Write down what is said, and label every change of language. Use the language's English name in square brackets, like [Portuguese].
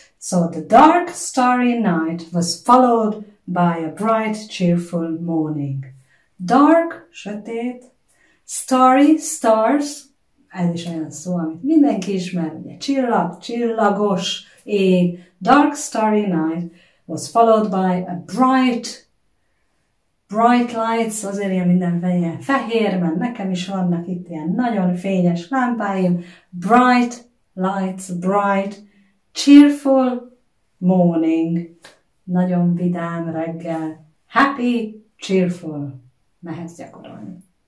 [English] So the dark, starry night was followed by a bright, cheerful morning. Dark, sötét. Starry, stars. [Hungarian] Ez is olyan szó, amit mindenki ismer. Ugye, csillag, csillagos ég. [English] Dark, starry night was followed by a bright, bright lights, [Hungarian] azért ilyen mindenféle ilyen fehér, mert nekem is vannak itt ilyen nagyon fényes lámpáim. [English] Bright lights, bright, cheerful morning. [Hungarian] Nagyon vidám reggel. [English] Happy, cheerful. [Hungarian] Mehetsz gyakorolni.